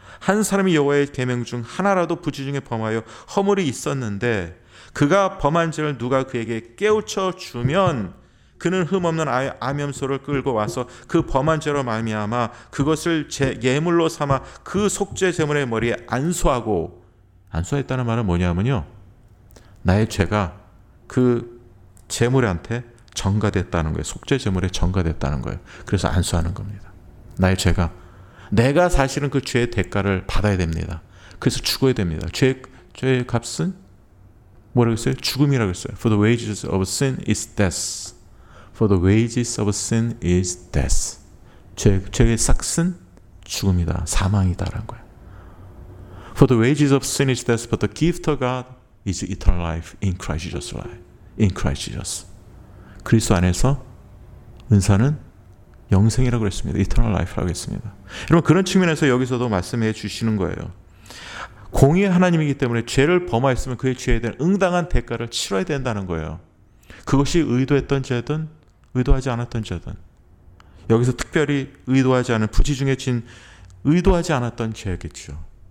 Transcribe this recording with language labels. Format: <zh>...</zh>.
<ko>한 사람이 여호와의 계명 중 하나라도 부지 중에 범하여 허물이 있었는데 그가 범한 죄를 누가 그에게 깨우쳐 주면 그는 흠없는 암염소를 끌고 와서 그 범한 죄로 말미암아 그것을 예물로 삼아 그 속죄 제물의 머리에 안수하고 안수했다는 말은 뭐냐면요 나의 죄가 그 제물한테 전가됐다는 거예요. 속죄 제물에 전가됐다는 거예요. 그래서 안수하는 겁니다. 나의 죄가, 내가 사실은 그 죄의 대가를 받아야 됩니다. 그래서 죽어야 됩니다. 죄의 값은 뭐라고 했어요? 죽음이라고 했어요.</ko> <en>For the wages of sin is death. For the wages of sin is death.</en> <ko>죄의 삭은 죽음이다. 사망이다라는 거예요.</ko> <en>For the wages of sin is death, but the gift of God is eternal life in Christ Jesus. In Christ Jesus.</en> <ko>그리스도 안에서 은사는 영생이라고 그랬습니다. Eternal life라고 했습니다. 여러분, 그런 측면에서 여기서도 말씀해 주시는 거예요. 공의의 하나님이기 때문에 죄를 범하였으면 그의 죄에 대한 응당한 대가를 치러야 된다는 거예요. 그것이 의도했던 죄든 의도하지 않았던 죄든, 여기서 특별히 의도하지 않은 부지중에 진 의도하지 않았던 죄겠죠.</ko>